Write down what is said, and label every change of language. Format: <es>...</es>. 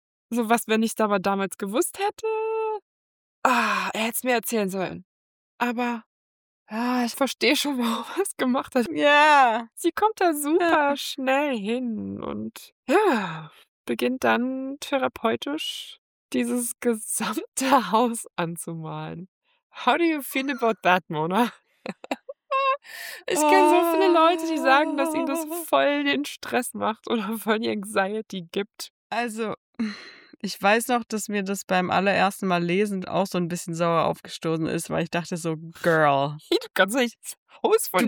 <de>So was, wenn ich es aber damals gewusst hätte. Ah, er hätte es mir erzählen sollen. Aber ich verstehe schon, warum er es gemacht hat. Ja.</de> <en>Yeah.</en> <de>Sie kommt da super schnell hin und ja, beginnt dann therapeutisch dieses gesamte Haus anzumalen.</de> <en>How do you feel about that, Mona?</en> <de>Ich kenne so viele Leute, die sagen, dass ihnen das voll den Stress macht oder voll die Anxiety gibt. Also, ich weiß noch, dass mir das beim allerersten Mal lesen auch so ein bisschen sauer aufgestoßen ist, weil ich dachte so, Girl. Du kannst nicht das Haus von</de>